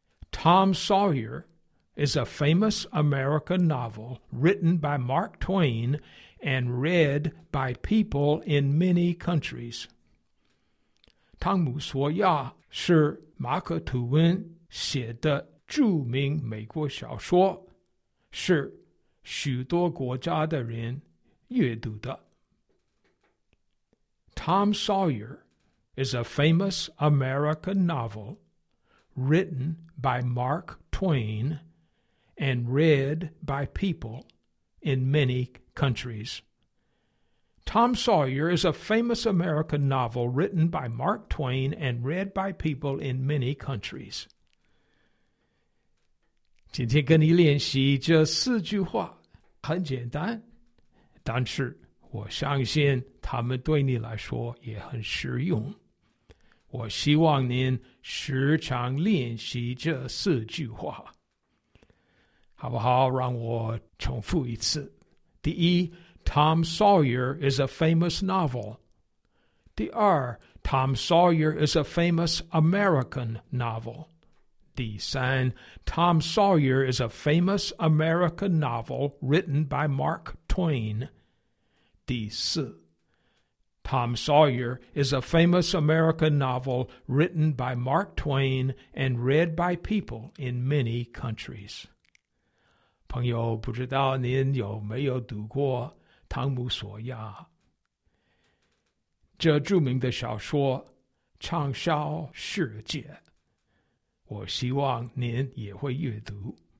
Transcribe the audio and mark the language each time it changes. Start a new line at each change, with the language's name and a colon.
English: Tom Sawyer is a famous American novel written by Mark Twain and read by people in many countries.
Chinese: 汤姆·索亚是马克·吐温写的著名美国小说，是许多国家的人阅读的。
English: Tom Sawyer is a famous American novel written by Mark Twain and read by people in many countries. Tom Sawyer is a famous American novel written by Mark Twain and read by people in many countries.
Chinese: 今天跟你练习这四句话，很简单，但是我相信他们对你来说也很实用。我希望您时常练习这四句话，好不好？让我重复一次。第一，
English: Tom Sawyer is a famous novel. 第二， Tom Sawyer is a famous American novel. 第三， Tom Sawyer is a famous American novel written by Mark Twain. 第四，Tom Sawyer is a famous American novel written by Mark Twain and read by people in many countries.
Chinese: 朋友，不知道您有没有读过汤姆·索亚？这著名的小说畅销世界，我希望您也会阅读。